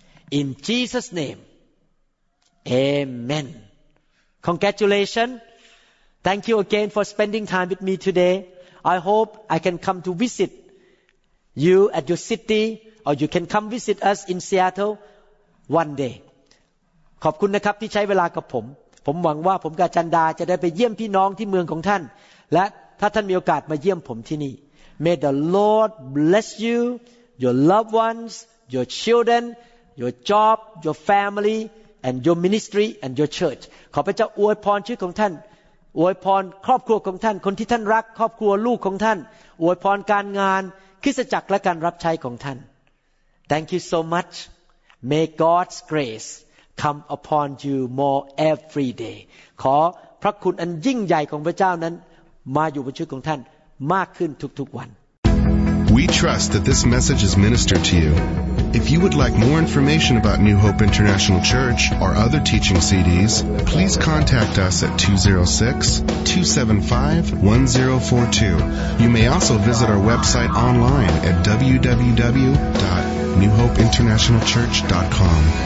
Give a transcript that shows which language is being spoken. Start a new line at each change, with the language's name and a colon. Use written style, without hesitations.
English: In Jesus' name. Amen. Congratulations. Thank you again for spending time with me today. I hope I can come to visit you at your city, or you can come visit us in Seattle one day.
Thai: ขอบคุณนะครับที่ใช้เวลากับผมผมหวังว่าผมกับจันดาจะได้ไปเยี่ยมพี่น้องที่เมืองของท่านและถ้าท่านมีโอกาสมาเยี่ยมผมที่นี่
English: May the Lord bless you, your loved ones, your children, your job, your family, and your ministry, and your church.
Thai: ขอพระเจ้าอวยพรชีวิตของท่านอวยพรครอบครัวของท่านคนที่ท่านรักครอบครัวลูกของท่านอวยพรการงานคริสตจักรและการรับใช้ของท่าน
English: Thank you so much. May God's grace come upon you more every day.
Thai: ขอพระคุณอันยิ่งใหญ่ของพระเจ้านั้นมาอยู่บนชีวิตของท่านมากขึ้นทุกๆวัน
English: We trust that this message is ministered to you. If you would like more information about New Hope International Church or other teaching CDs, please contact us at 206-275-1042. You may also visit our website online at www.newhopeinternationalchurch.com.